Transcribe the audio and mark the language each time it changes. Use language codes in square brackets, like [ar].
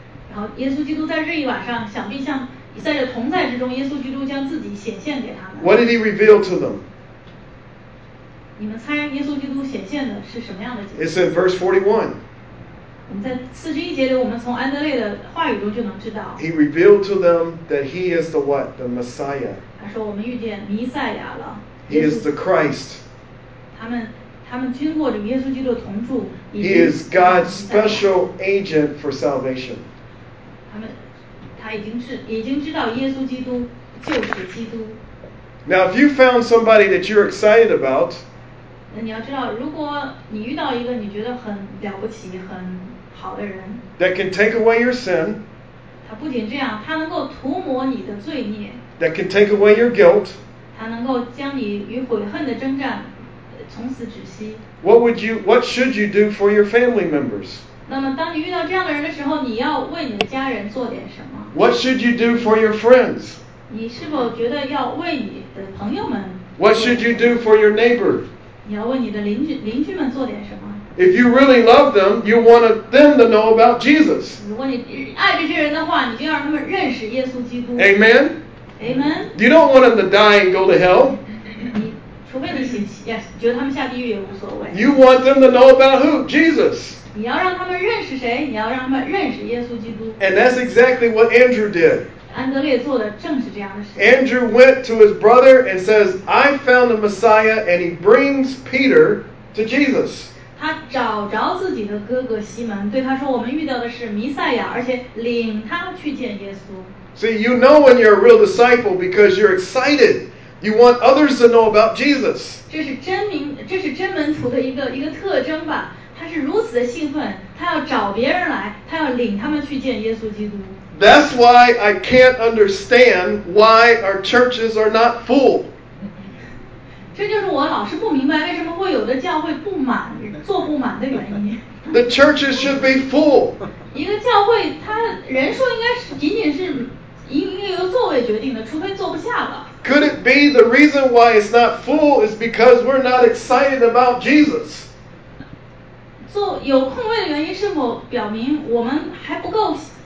[zh] 然后耶稣基督在这一晚上，想必像在这同在之中，耶稣基督将自己显现给他们。 [en] What did he reveal to them? [zh] 你们猜耶稣基督显现的是什么样的景象？ [en] It's in verse 41. [zh] 我们在四十一节里，我们从安德烈的话语中就能知道。 [en] He revealed to them that he is the what? The Messiah. [zh] 他说我们遇见弥赛亚了。 [en] He is the Christ. [zh] 他们经过着耶稣基督的同住。 [en] He is God's special agent for salvation. [zh] 他已经知道耶稣基督就是基督。 [en] Now if you found somebody that you're excited about, [zh] 那你要知道，如果你遇到一个你觉得很了不起、很好的人 [en] ，that can take away your sin， [zh] 他不仅这样，他能够涂抹你的罪孽 [en] ；that can take away your guilt， [zh] 他能够将你与悔恨的征战从此止息。 [en] What should you do for your family members？ [zh] 那么，当你遇到这样的人的时候，你要为你的家人做点什么 [en] ？What should you do for your friends？ [zh] 你是否觉得要为你的朋友们 [en] ？What should you do for your neighbor？ [zh] 你要为你的邻居们做点什么 [en] ？If you really love them, you want them to know about Jesus. [zh] 如果你爱这些人的话，你就要让他们认识耶稣基督。 [en] Amen. Amen. You don't want them to die and go to hell. [zh] 你除非你想觉得他们下地狱也无所谓。 [en] You want them to know about who? Jesus. [zh] 你要让他们认识谁？你要让他们认识耶稣基督。 [en] And that's exactly what Andrew did. [zh] 安德烈做的正是这样的事。 [en] Andrew went to his brother and says, "I found the Messiah," and he brings Peter to Jesus. [zh] 他找着自己的哥哥西门，对他说：“我们遇到的是弥赛亚，而且领他去见耶稣。” [en] See, you know when you're a real disciple because you're excited. You want others to know about Jesus. [zh] 这是真门徒的一个特征吧。他是如此的兴奋，他要找别人来，他要领他们去见耶稣基督。 [en] That's why I can't understand why our churches are not full. [zh] 这就是我老是不明白为什么会有的教会不满，坐不满的原因。 [en] The churches should be full. [zh] 一个教会它人数应该是仅仅是应该由座位决定的，除非坐不下了。 [en] Could it be the reason why it's not full is because we're not excited about Jesus? [zh] 坐有空位的原因是否表明我们还不够？